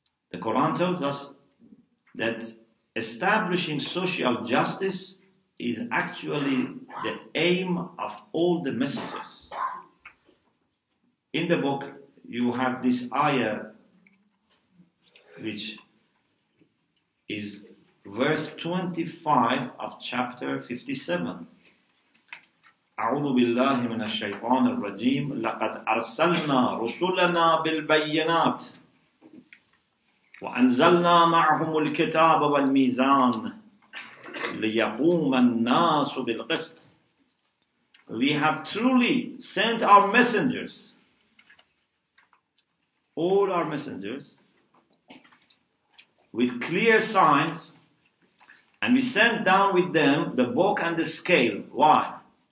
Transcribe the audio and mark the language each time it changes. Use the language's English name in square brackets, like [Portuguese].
[English] The Quran tells us that establishing social justice is actually the aim of all the messengers. In the book, you have this ayah, which is verse 25 of chapter 57. [Arabic] أعوذ بالله من الشيطان الرجيم لقد أرسلنا رسلنا بالبينات وأنزلنا معهم الكتاب والميزان ليقوم الناس بالقسط. [English] We have truly sent our messengers, all our messengers, with clear signs, and we sent down with them the book and the scale. Why?